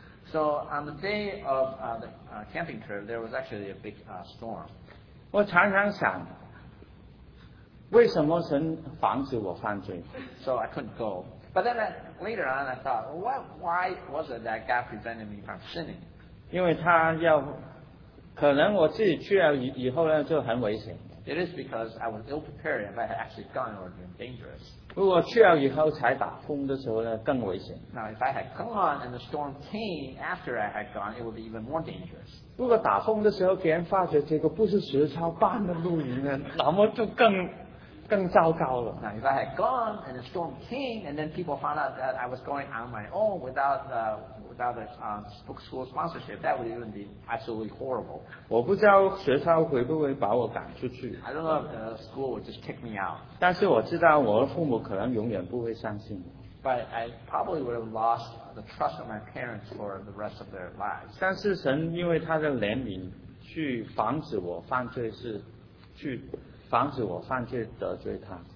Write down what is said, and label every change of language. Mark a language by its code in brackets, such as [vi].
[en] So on the day of the camping trip, there was actually a big storm. [zh] 我常常想，为什么神防止我犯罪 [en] ？So I couldn't go. But then later on, I thought, why was it that God prevented me from sinning? [zh] 因为他要，可能我自己去了以后呢，就很危险。 [en] It is because I was ill prepared. If I had actually gone, it would have been dangerous. [zh] 如果去了以后才打风的时候呢，更危险。 [en] Now if I had gone and the storm came after I had gone, it would be even more dangerous. [zh] 如果打风的时候别人发觉这个不是实操办的露营呢，那么就更糟糕了。 [en] Now if I had gone and the storm came and then people found out that I was going on my own without a book school sponsorship, that would even be absolutely horrible. [zh] 我不知道学校会不会把我赶出去。 [en] I don't know if the school would just kick me out. [zh] 但是我知道我的父母可能永远不会相信我。 [en] But I probably would have lost the trust of my parents for the rest of their lives. [zh] 但是神因为他的怜悯去防止我犯罪是去防止我犯罪得罪他。